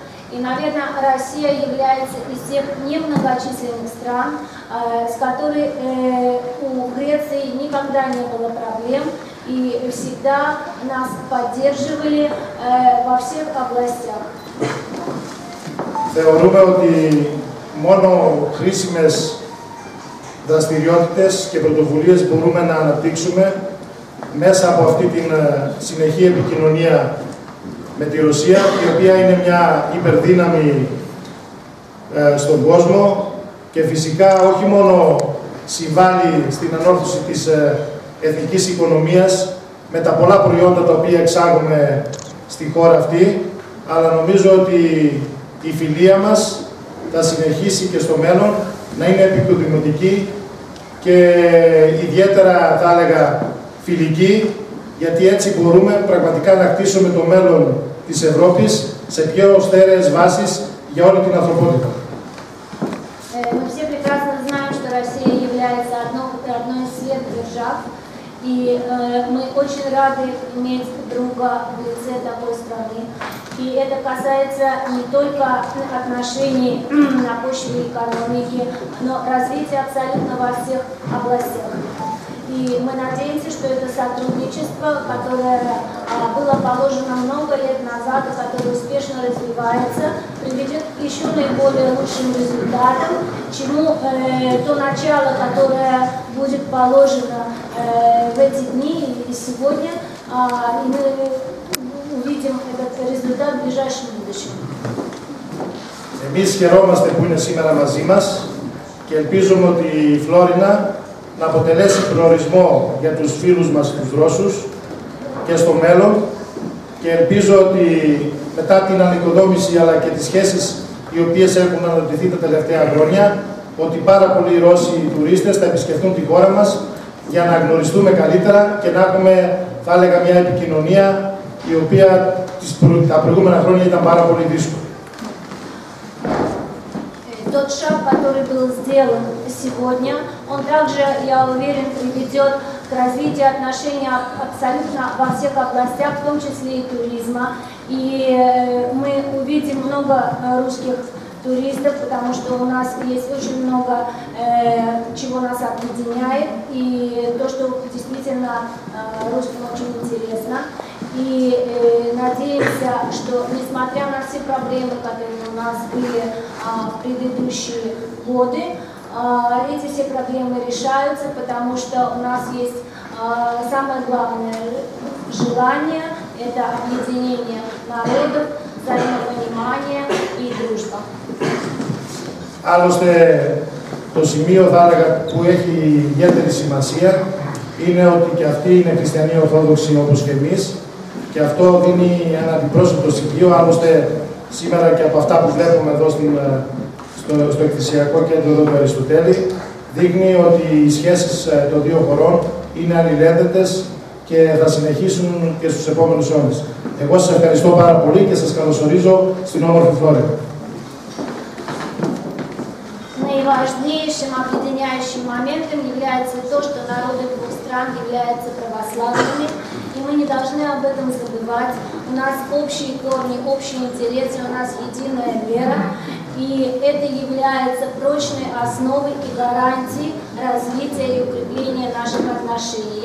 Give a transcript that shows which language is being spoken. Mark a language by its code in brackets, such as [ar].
[ru] И, наверное, Россия является из тех немногочисленных стран, с которой у Греции никогда не было проблем, и всегда нас поддерживали во всех областях. [el] Θεωρούμε ότι μόνο χρήσιμες δραστηριότητες και πρωτοβουλίες μπορούμε να αναπτύξουμε μέσα από αυτή την συνεχή επικοινωνία με τη Ρωσία, η οποία είναι μια υπερδύναμη στον κόσμο και φυσικά όχι μόνο συμβάλλει στην ανόρθωση της εθνικής οικονομίας με τα πολλά προϊόντα τα οποία εξάγουμε στη χώρα αυτή, αλλά νομίζω ότι η φιλία μας θα συνεχίσει και στο μέλλον να είναι επικοδημητική και ιδιαίτερα, θα έλεγα, φιλική, γιατί έτσι μπορούμε πραγματικά να χτίσουμε το μέλλον της Ευρώπης σε πιο στέρεες βάσεις για όλη την ανθρωπότητα. [ru] Мы все прекрасно знаем, что Россия является одной из всех держав, и мы очень рады иметь друга в лице такой страны. И это касается не только отношений на почве экономики, но развития абсолютно во всех областях. И мы надеемся, что это сотрудничество, которое было положено много лет назад и которое успешно развивается, приведет к еще наиболее лучшим результатам, чему то начало, которое будет положено в эти дни и сегодня, и мы увидим этот результат в ближайшем будущем. [el] Εμείς χαιρόμαστε που είναι σήμερα μαζί μας και ελπίζουμε ότι η Φλόρινα να αποτελέσει προορισμό για τους φίλους μας τους Ρώσους και στο μέλλον και ελπίζω ότι μετά την ανοικοδόμηση αλλά και τις σχέσεις οι οποίες έχουν αναπτυχθεί τα τελευταία χρόνια ότι πάρα πολλοί Ρώσοι τουρίστες θα επισκεφτούν τη χώρα μας για να γνωριστούμε καλύτερα και να έχουμε, θα έλεγα, μια επικοινωνία η οποία τα προηγούμενα χρόνια ήταν πάρα πολύ δύσκολη. [ru] Тот шаг, который был сделан сегодня, он также, я уверен, приведет к развитию отношений абсолютно во всех областях, в том числе и туризма. И мы увидим много русских туристов, потому что у нас есть очень много чего нас объединяет, и то, что действительно русским очень интересно. И надеемся, что несмотря на все проблемы, которые у нас были в предыдущие годы, эти все проблемы решаются, потому что у нас есть самое главное, желание – это объединение народов, взаимопонимание и дружба. [el] Άλλωστε, το σημείο, θα έλεγα, που έχει ιδιαίτερη σημασία είναι ότι και αυτοί είναι χριστιανοί ορθόδοξοι όπως και εμείς και αυτό δίνει ένα αντιπρόσωπο στοιχείο. Άλλωστε, σήμερα και από αυτά που βλέπουμε εδώ στο εκκλησιακό κέντρο εδώ του Αριστοτέλη δείχνει ότι οι σχέσεις των δύο χωρών είναι αλληλένδετες και θα συνεχίσουν και στους επόμενους αιώνες. Εγώ σας ευχαριστώ πάρα πολύ και σας καλωσορίζω στην όμορφη Φλόρια. [ru] Важнейшим объединяющим моментом является то, что народы двух стран являются православными, и мы не должны об этом забывать. У нас общие корни, общие интересы, у нас единая вера, и это является прочной основой и гарантией развития и укрепления наших отношений.